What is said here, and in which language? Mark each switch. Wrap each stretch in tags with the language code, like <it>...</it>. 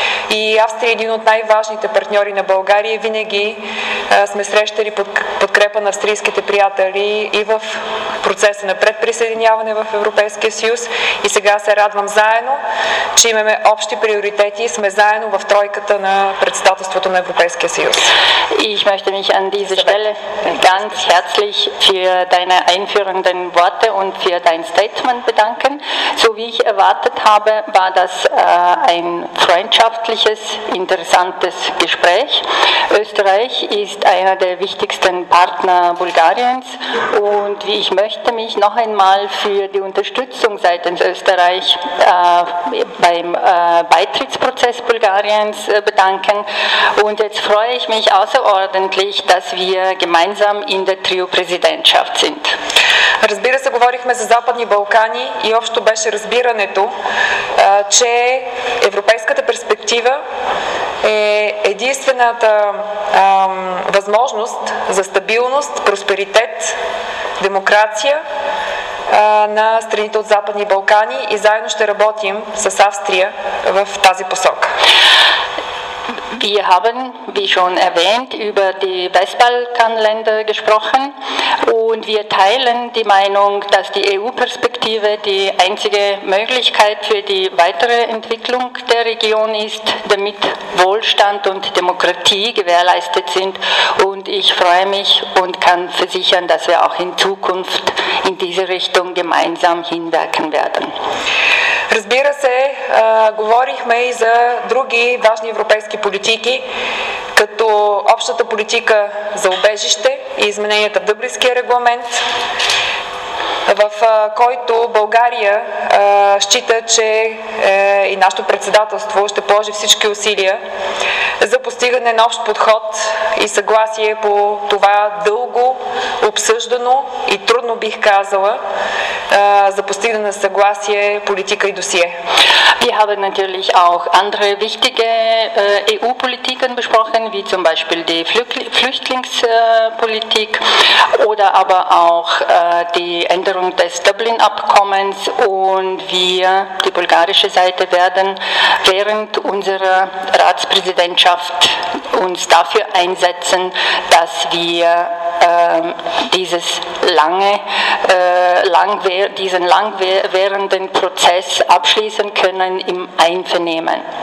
<bg>И Австрия е един от най-важните партньори на България. Винаги сме срещали подкрепа на австрийските приятели и в процеса на предприсъединяване в Европейския съюз. И сега се радвам заедно, че имаме общи приоритети и сме заедно в тройката на председателството на Европейския съюз.</bg> <de>Ich möchte mich an dieser Stelle ganz herzlich für deine einführenden Worte und für dein Statement bedanken. So wie ich erwartet habe, war das ein freundschaftliches, interessantes Gespräch. Österreich ist einer der wichtigsten Partner Bulgariens und ich möchte mich noch einmal für die Unterstützung seitens Österreich beim Beitrittsprozess Bulgariens bedanken. Und jetzt freue ich mich außerordentlich, dass wir gemeinsam in der Trio-Präsidentschaft sind.</de> <bg>Разбира се, говорихме за Западни Балкани и общо беше разбирането, че европейската перспектива е единствената възможност за стабилност, просперитет, демокрация на страните от Западни Балкани и заедно ще работим с Австрия в тази посока.</bg> <de>Wir haben, wie schon erwähnt, über die Westbalkanländer gesprochen und wir teilen die Meinung, dass die EU-Perspektive die einzige Möglichkeit für die weitere Entwicklung der Region ist, damit Wohlstand und Demokratie gewährleistet sind. Und ich freue mich und kann versichern, dass wir auch in Zukunft in diese Richtung gemeinsam hinwirken werden.</de> <bg>Разбира се, говорихме и за други важни европейски политики, като общата политика за убежище и измененията в Дъблинския регламент, в който България счита, че и нашето председателство ще положи всички усилия за постигане на общ подход и съгласие по това дълго обсъждано и трудно, бих казала, за постигане на съгласие политика и досие.</bg> <de>Wir haben natürlich auch andere wichtige EU-Politiken besprochen, wie zum Beispiel die Flüchtlingspolitik oder aber auch die Änderung des Dublin-Abkommens. Und wir, die bulgarische Seite, werden während unserer Ratspräsidentschaft uns dafür einsetzen, dass wir diesen langwährenden Prozess abschließen können im Einvernehmen.</de>